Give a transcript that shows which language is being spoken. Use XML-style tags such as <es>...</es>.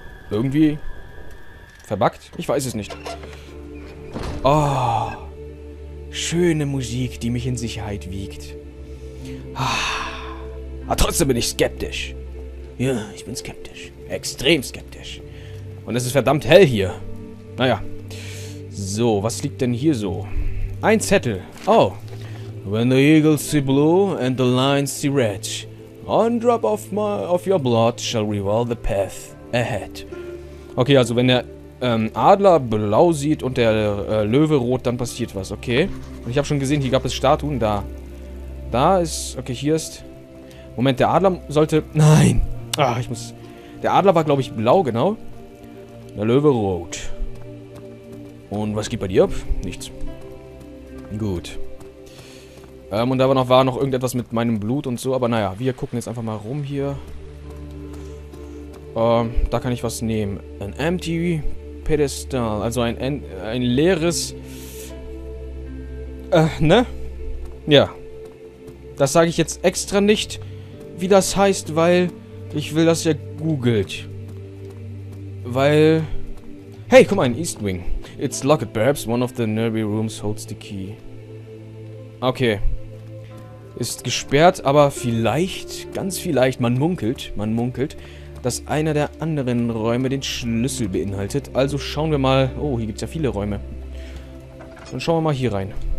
<de>Irgendwie verbuggt? Ich weiß es nicht. Oh, schöne Musik, die mich in Sicherheit wiegt. Aber trotzdem bin ich skeptisch. Ja, ich bin skeptisch. Extrem skeptisch. Und es ist verdammt hell hier. Naja. So, was liegt denn hier so? Ein Zettel. Oh.</de> <en>When the eagles see blue and the lions see red, one drop of your blood shall reveal the path ahead.</en> <de>Okay, also wenn der Adler blau sieht und der Löwe rot, dann passiert was, okay. Und ich habe schon gesehen, hier gab es Statuen, da. Da ist, okay, hier ist... Moment, der Adler sollte... Nein! Ah, ich muss... Der Adler war, glaube ich, blau, genau. Der Löwe rot. Und was geht bei dir ab? Nichts. Gut. Und da war noch irgendetwas mit meinem Blut und so. Aber naja, wir gucken jetzt einfach mal rum hier. Da kann ich was nehmen.</de> <en>An empty pedestal.</en> <de>Also ein leeres... ne? Ja. Das sage ich jetzt extra nicht, wie das heißt, weil... Ich will, dass ihr googelt. Weil... Hey, guck mal, ein East Wing.</de> <en>It's locked, perhaps one of the nearby rooms holds the key.</en> <de>Okay. Ist gesperrt, aber vielleicht, ganz vielleicht, man munkelt, dass einer der anderen Räume den Schlüssel beinhaltet. Also schauen wir mal. Oh, hier gibt es ja viele Räume. Dann schauen wir mal hier rein.</de>